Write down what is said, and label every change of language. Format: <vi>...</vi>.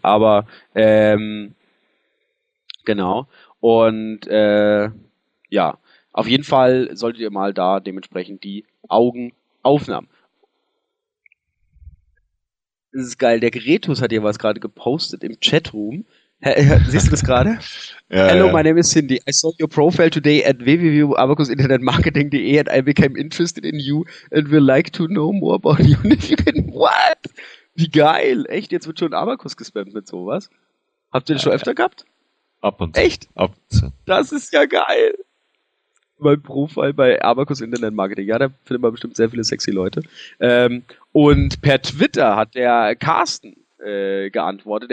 <de>Aber genau. Und ja, auf jeden Fall solltet ihr mal da dementsprechend die Augen aufnehmen. Das ist geil, der Gretus hat hier was gerade gepostet im Chatroom. Siehst du das gerade? Ja, hello, ja.</de> <en>My name is Cindy. I saw your profile today at www.abacusinternetmarketing.de and I became interested in you and would like to know more about you.</en> <de>What? Wie geil. Echt, jetzt wird schon Abacus gespammt mit sowas. Habt ihr das schon öfter gehabt? Ab und zu. Echt? Ab und zu. Das ist ja geil. Mein Profil bei Abacus Internet Marketing. Ja, da findet man bestimmt sehr viele sexy Leute. Und per Twitter hat der Carsten geantwortet.</de>